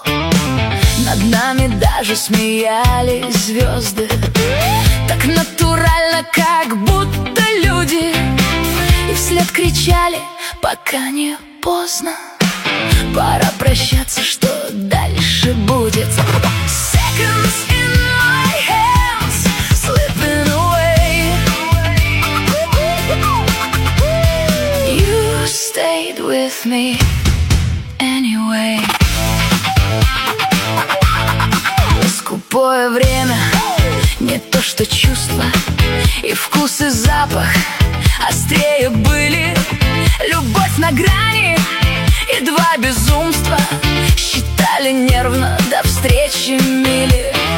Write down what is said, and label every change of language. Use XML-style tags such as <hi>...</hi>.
<ru>Над нами даже смеялись звезды, так натурально, как будто люди. И вслед кричали, пока не поздно. Пора прощаться, что дальше будет?</ru> <en>Seconds in my hands, slipping away. You stayed with me anyway.</en> <ru>Скупое время, не то что чувства. И вкус, и запах острее были. Любовь на грани и два безумства. Считали нервно до встречи мили.</ru>